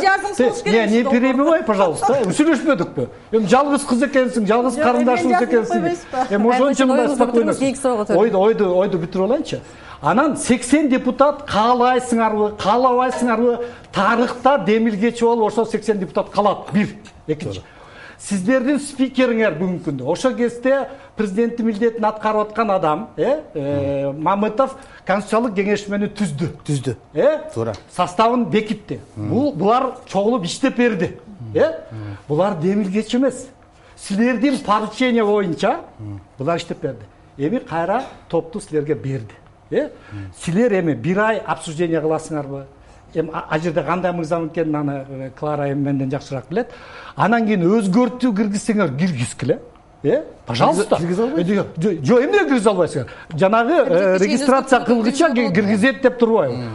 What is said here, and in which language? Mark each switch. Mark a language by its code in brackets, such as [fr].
[ru] Не перебивай, пожалуйста. [ky] Сүйлөшпөдүкпү? Эми жалгыз кыз экенсиң, жалгыз карындашың экенсиң. Эми ошончон да спокойно. Ойду бүтүрүп алайынчы. Анан 80 депутат каалайсыңарбы, каалабайсыңарбы, тарыхта демилгечи болуп ошо 80 депутат калат. Бир, экинчи. Сиздердин спикериңер бүгүнкү күндө ошо кезде президенттин милдетин аткарып аткан адам, Мамытов конституциялык кеңеш менен түздү, э? Туура. Составын бекитти. Булар чогулуп иштеп берди, э? Булар демилгеч эмес. Силердин поручение боюнча булар иштеп берди. Эми кайра топту силерге берди, э? Силер эми бир ай обсуждение кыласыңарбы? Эми ал жерде кандай мыйзам экенин аны Клара эми менден жакшыраак билет. Анан кийин өзгөртүү киргизсеңер киргизгиле, э? [ru] Пожалуйста. [ky] Киргизе албайсыңар. Жок, эмне киргизе албайсыңар? Жанагы регистрация кылгыча киргизет деп турбайбы?